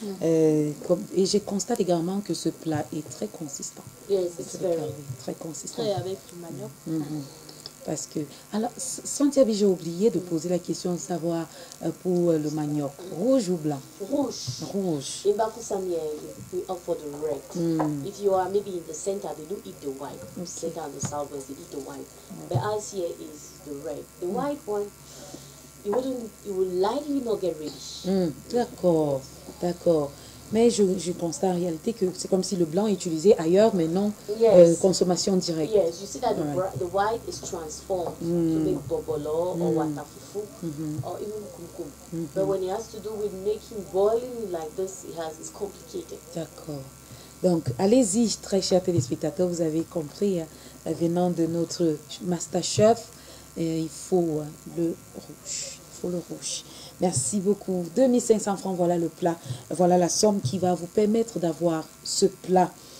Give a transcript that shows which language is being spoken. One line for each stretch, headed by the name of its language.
French: Et je constate également que ce plat est très consistant. Oui, c'est très bien. Très consistant. Très avec du manioc. Parce que, alors, Santiago, j'ai oublié de poser la question de savoir pour le manioc, rouge ou blanc?
English: Rouge. In Bakusamien, we offer the red. If you are maybe in the center, they do eat the white. Okay. Center and the southwest, they eat the white. But us here is the red. The white one, you will likely not get ready.
French: D'accord. Mais je constate en réalité que c'est comme si le blanc est utilisé ailleurs, mais non consommation directe.
English: Yes, you see that the white is transformed to make bobolo or watafufu or even kumkum. But when it has to do with making boiling like this, it's complicated.
French: D'accord. Donc, allez-y, très chers téléspectateurs, vous avez compris, venant de notre master chef, il faut le rouge. Merci beaucoup. 2500 francs, voilà le plat. Voilà la somme qui va vous permettre d'avoir ce plat.